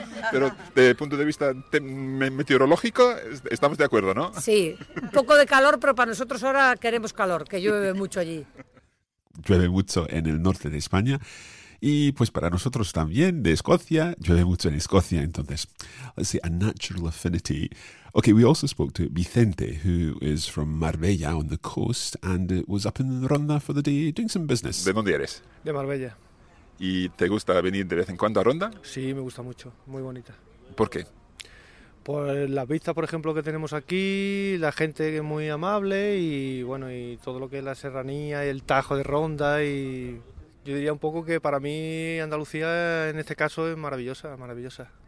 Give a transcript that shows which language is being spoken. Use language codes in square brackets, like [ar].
[es] Pero de punto de vista meteorológico, estamos de acuerdo, ¿no? Sí, un poco de calor, pero para nosotros ahora queremos calor, que llueve mucho allí. Llueve mucho en el norte de España y pues para nosotros también de Escocia, llueve mucho en Escocia, entonces, [en] let's see, a natural affinity. Okay, we also spoke to Vicente, who is from Marbella on the coast and was up in Ronda for the day doing some business. [es] ¿De dónde eres? De Marbella. ¿Y te gusta venir de vez en cuando a Ronda? Sí, me gusta mucho, muy bonita. ¿Por qué? Por las vistas, por ejemplo, que tenemos aquí, la gente que es muy amable y bueno, y todo lo que es la serranía y el Tajo de Ronda. Y yo diría un poco que para mí Andalucía en este caso es maravillosa, maravillosa.